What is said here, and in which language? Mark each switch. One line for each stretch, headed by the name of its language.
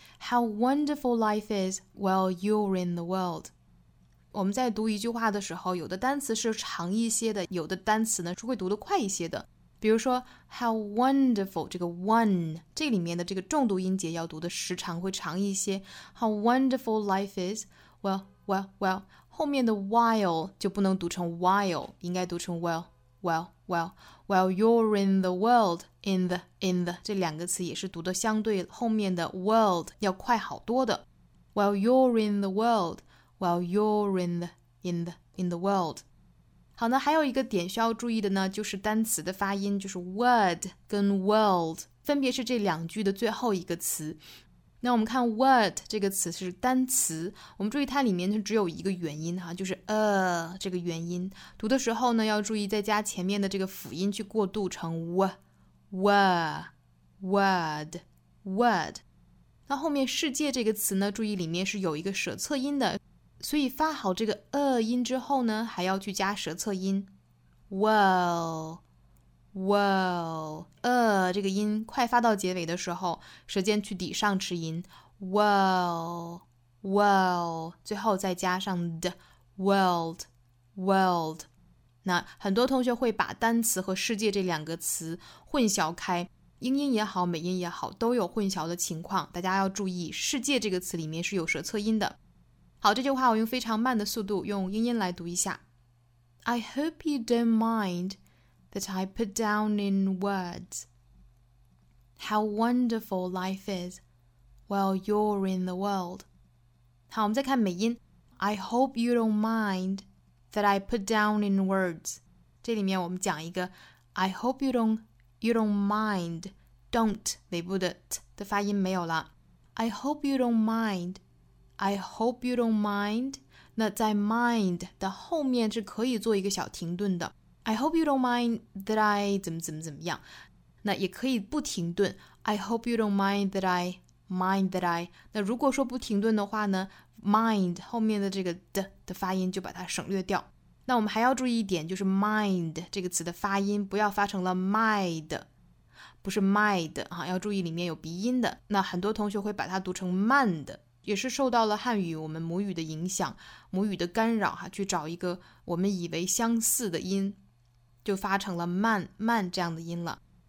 English: How wonderful life is while you're in the world.
Chinese: 我们在读一句话的时候，有的单词是长一些的，有的单词呢是会读得快一些的。比如说 how wonderful, 这个 one, 这里面的这个重读音节要读的时长会长一些。
English: How wonderful life is, well,
Chinese: 后面的 while 就不能读成 while, 应该读成 well,
English: while you're in the world, in the,
Chinese: 这两个词也是读得相对后面的 world 要快好多的。
English: While you're in the world,While you're in the world.
Chinese: 好呢，还有一个点需要注意的呢，就是单词的发音，就是 word 跟 world 分别是这两句的最后一个词。那我们看 word 这个词是单词，我们注意它里面只有一个元音哈，就是 这个元音。读的时候呢，要注意再加前面的这个辅音去过渡成 word. 那后面世界这个词呢，注意里面是有一个舌侧音的。所以发好这个音之后呢，还要去加舌侧音 well, 这个音快发到结尾的时候，舌尖去抵上齿音 well, 最后再加上 the world. 那很多同学会把单词和世界这两个词混淆开，英音也好美音也好都有混淆的情况，大家要注意世界这个词里面是有舌侧音的。好，这句话我用非常慢的速度用英音来读一下。
English: I hope you don't mind that I put down in words how wonderful life is while you're in the world.
Chinese: 好，我们再看美音。
English: I hope you don't mind that I put down in words.
Chinese: 这里面我们讲一个
English: I hope you don't mind.
Chinese: Don't 尾部的 t 的发音没有了。
English: I hope you don't mind. I hope you don't mind.
Chinese: 那在 mind 的后面是可以做一个小停顿的。
English: I hope you don't mind that I
Chinese: 怎么样。那也可以不停顿。
English: I hope you don't mind that I mind that I.
Chinese: 那如果说不停顿的话呢？Mind 后面的这个 的发音就把它省略掉。那我们还要注意一点，就是 mind 这个词的发音不要发成了 mind， 不是 mind、啊、要注意里面有鼻音的。那很多同学会把它读成 mind， 也是受到了汉语我们母语的影响，母语的干扰、啊、去找一个我们以为相似的音，就发成了 man 这样的音了。